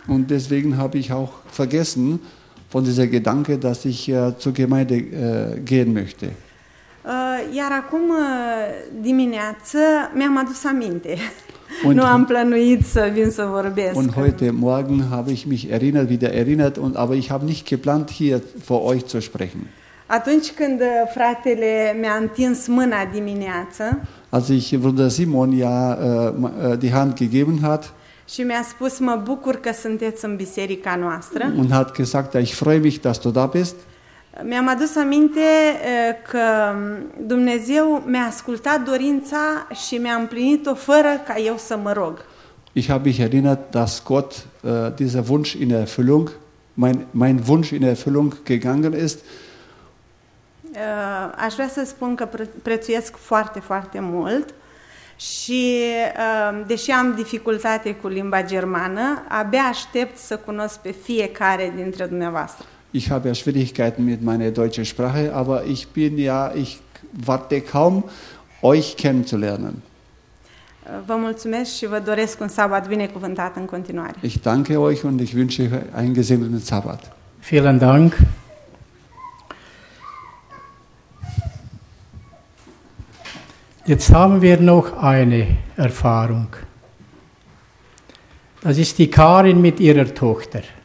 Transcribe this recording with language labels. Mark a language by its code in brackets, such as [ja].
[de] Und deswegen habe ich auch vergessen von dieser Gedanke, dass ich zur Gemeinde gehen möchte. [ro] Iar acum dimineață mi-am adus aminte. Nu am plănuit să vin să vorbesc. [de] Und heute morgen habe ich mich erinnert und aber ich habe nicht geplant hier vor euch zu sprechen. [ro] Atunci când fratele mi-a întins mâna dimineață, [de] als ich Bruder Simon ja die Hand gegeben hat, [ro] și mi-a spus mă bucur că sunteți în biserica noastră. [de] Und hat gesagt, ich freue mich, dass du da bist. [ro] Mi-am adus aminte că Dumnezeu mi-a ascultat dorința și mi-a împlinit-o fără ca eu să mă rog. [de] Ich habe mich erinnert, dass Gott dieser Wunsch in Erfüllung, mein Wunsch in Erfüllung gegangen ist. [ro] Aș vrea să spun că prețuiesc foarte, foarte mult și deși am dificultate cu limba germană, abia aștept să cunosc pe fiecare dintre dumneavoastră. [de] Ich habe ja Schwierigkeiten mit meiner deutschen Sprache, aber ich bin ja, ich warte kaum, euch kennenzulernen. [ro] Vă mulțumesc și vă doresc un sabat binecuvântat în continuare. [de] Ich danke euch und ich wünsche euch einen gesegneten Sabbat. Vielen Dank. Jetzt haben wir noch eine Erfahrung. Das ist die Karin mit ihrer Tochter.